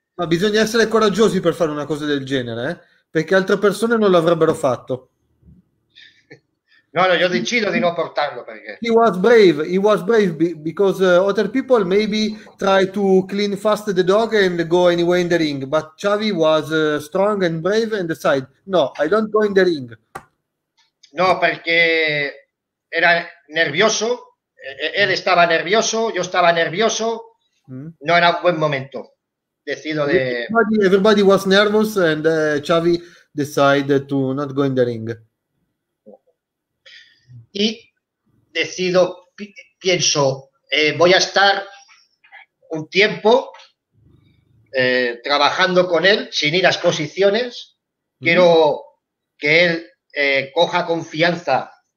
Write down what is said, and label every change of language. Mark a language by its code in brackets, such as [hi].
[it] Ma bisogna essere coraggiosi per fare una cosa del genere, perché altre persone non l'avrebbero fatto. [es] No, yo decido [it] di non portarlo perché. [en] He was brave because other people maybe try to clean fast the dog and go anyway in the ring, but Xavi was strong and brave and decide, no, I don't go in the ring. [es] No, perché era nervioso. Él estaba nervioso, yo estaba nervioso. No era un buen momento. Decido de. [en] Everybody was nervous and Xavi decided to not go in the ring. [es] Y decido, pienso, voy a estar un tiempo trabajando con él sin ir a exposiciones. Quiero que él coja confianza.